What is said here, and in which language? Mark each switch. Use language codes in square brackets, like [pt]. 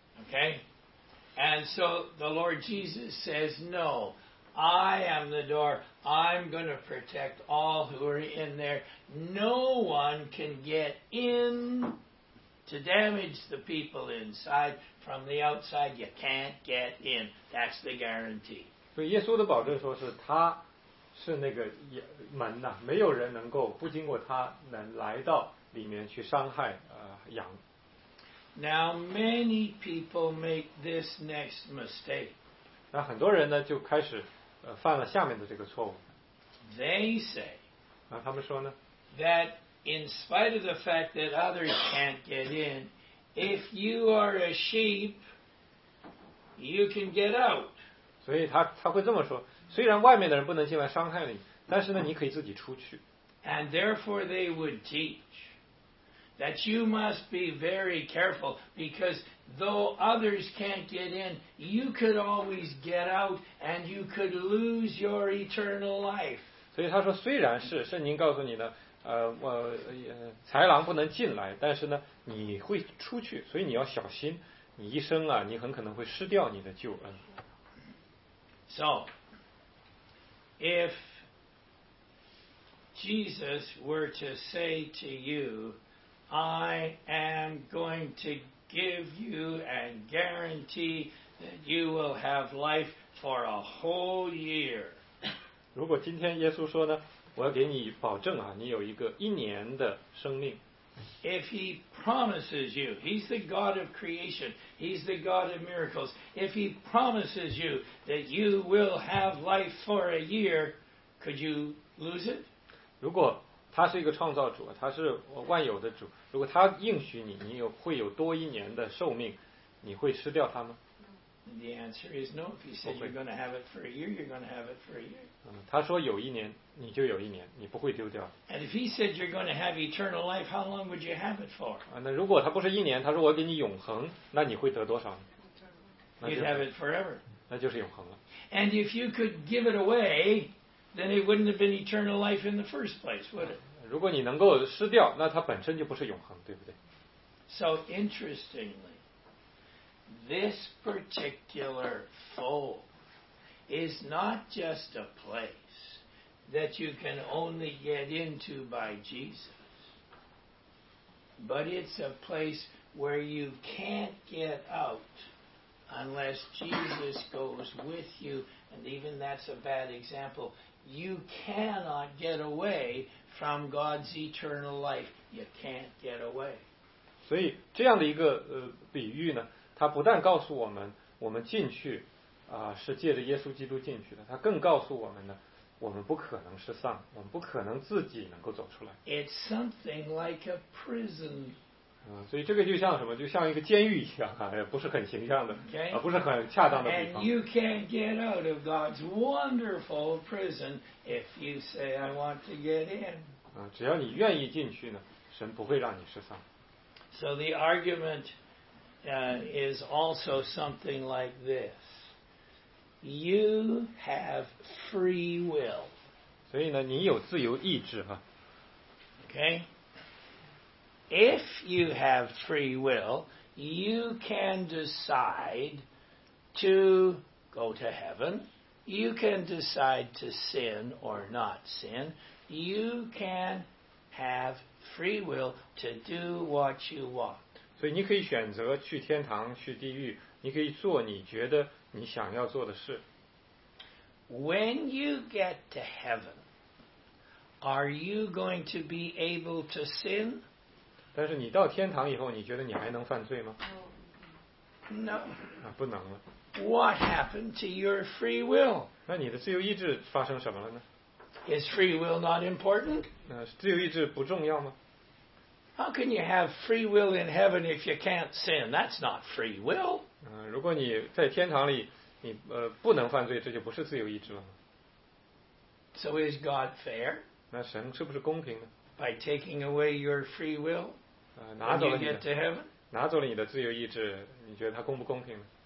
[en] Okay, and so the Lord Jesus says, "No, I am the door." I'm going to protect all who are in there. No one can get in to damage the people inside. From the outside, you can't get in. That's the guarantee. [zh] 所以耶稣的保证说是他是那个门呐、啊，没有人能够不经过他能来到里面去伤害羊。 [en] Now many people make this next mistake. [zh] 那很多人呢就开始。犯了下面的这个错误。 [en] They say, [zh] 那他们说呢 [en] that in spite of the fact that others can't get in, if you are a sheep, you can get out. [zh] 所以他会这么说，虽然外面的人不能进来伤害你，但是呢，你可以自己出去。 [en] And therefore they would teach that you must be very careful because. Though others can't get in, you could always get out, and you could lose your eternal life. [zh] 所以他说，虽然是圣经告诉你呢，豺狼不能进来，但是呢，你会出去，所以你要小心，你一生啊，你很可能会失掉你的救恩。 [en] So, if Jesus were to say to you, "I am going to." Give you and guarantee that you will have life for a whole year. [zh] 如果今天耶稣说呢，我要给你保证啊，你有一个一年的生命。 [en] If he promises you, he's the God of creation, he's the God of miracles. If he promises you that you will have life for a year, could you lose it? [zh] 如果他是一个创造主，他是万有的主。如果他应许你，你会有多一年的寿命，你会失掉他吗 [en] And the answer is no. If you said you're going to have it for a year, you're going to have it for a year. [zh] 他说有一年，你就有一年，你不会丢掉。 [en] And if he said you're going to have eternal life, how long would you have it for? [zh] 那如果他不是一年，他说我给你永恒，那你会得多少呢？ [en] You'd have it forever. [zh] 那就是永恒了。 [en] And if you could give it away, then it wouldn't have been eternal life in the first place, would it? [zh] 如果你能够失掉，那它本身就不是永恒，对不对？ [en] So interestingly,This particular fold is not just a place that you can only get into by Jesus, but it's a place where you can't get out unless Jesus goes with you, and even that's a bad example. You cannot get away from God's eternal life. You can't get away. [zh] 所以这样的一个比喻呢他不但告诉我们我们进去是借着耶稣基督进去的他更告诉我们呢我们不可能失丧我们不可能自己能够走出来 [en] It's something like a prison [zh] 所以这个就像什么就像一个监狱一样不是很形象的 [en] okay? [zh] 不是很恰当的地方 [en] And you can't get out of God's wonderful prison if you say I want to get in [zh] 只要你愿意进去呢神不会让你失丧 [en] So the argumentis also something like this. You have free will. [zh] 所以呢，你有自由意志哈。 [en] Okay. If you have free will, you can decide to go to heaven. You can decide to sin or not sin. You can have free will to do what you want. [zh] 所以你可以选择去天堂去地狱你可以做你觉得你想要做的事 [en] When you get to heaven are you going to be able to sin? [zh] 但是你到天堂以后你觉得你还能犯罪吗 [en] No [zh] 不能了 [en] What happened to your free will? [zh] 那你的自由意志发生什么了呢 [en] Is free will not important? [zh] 自由意志不重要吗 [en] How can you have free will in heaven if you can't sin? That's not free will. [zh] 如果你在天堂里，你不能犯罪，这就不是自由意志了吗？ [en] So is God fair? [zh] 那神是不是公平呢？ [en] By taking away your free will, when you get to heaven? [zh] 拿走了你的自由意志，你觉得他公不公平呢？